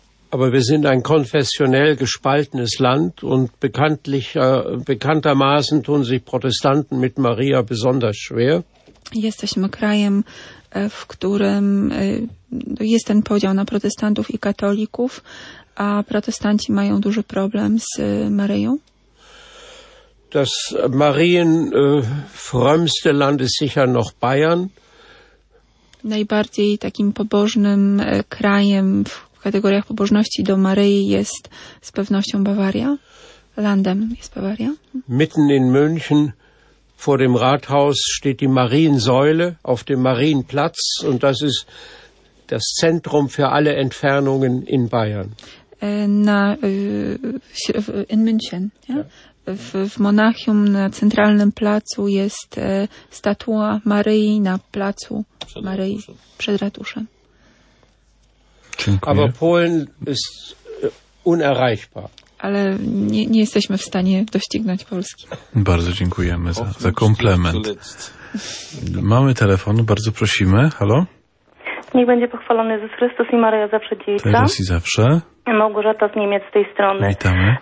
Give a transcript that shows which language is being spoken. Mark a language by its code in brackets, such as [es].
[de] Aber wir sind ein konfessionell gespaltenes Land und bekanntermaßen tun sich Protestanten mit Maria besonders schwer. [pl] Jesteśmy krajem, w którym jest ten podział na protestantów i katolików, a protestanci mają duży problem z Maryją. [de] Das Marienfrömmste Land ist sicher noch Bayern. [pl] Najbardziej takim pobożnym krajem w kategoriach pobożności do Maryi jest z pewnością Bawaria. Landem jest Bawaria. [de] Mitten in München vor dem Rathaus steht die Mariensäule auf dem Marienplatz und das ist das Zentrum für alle Entfernungen in Bayern. In München, ja? [pl] W Monachium na centralnym placu jest statua Maryi na placu Maryi przed ratuszem. Dziękuję. [de] Aber Polen ist unerreichbar. [pl] Ale nie jesteśmy w stanie doścignąć Polski. Bardzo dziękujemy za komplement. Mamy telefon, bardzo prosimy. Halo? Niech będzie pochwalony Jezus Chrystus i Maryja zawsze dziejca. Teraz i zawsze. Małgorzata z Niemiec z tej strony. Witamy.